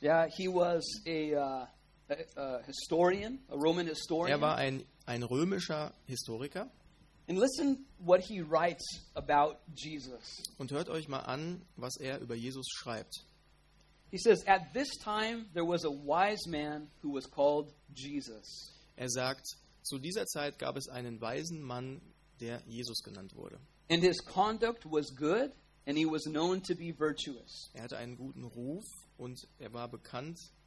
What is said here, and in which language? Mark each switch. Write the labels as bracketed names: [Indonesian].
[English] Yeah, he was a historian, a Roman historian. [German] Er war ein römischer Historiker. [English] And listen what he writes about Jesus. [German] Und hört euch mal an, was er über Jesus schreibt. [English] He says, at this time there was a wise man who was called Jesus. [German] Er sagt, zu dieser Zeit gab es einen weisen Mann, der Jesus genannt wurde. [English] And his conduct was good, and he was known to be virtuous. [German] Er hatte einen guten Ruf und er war bekannt.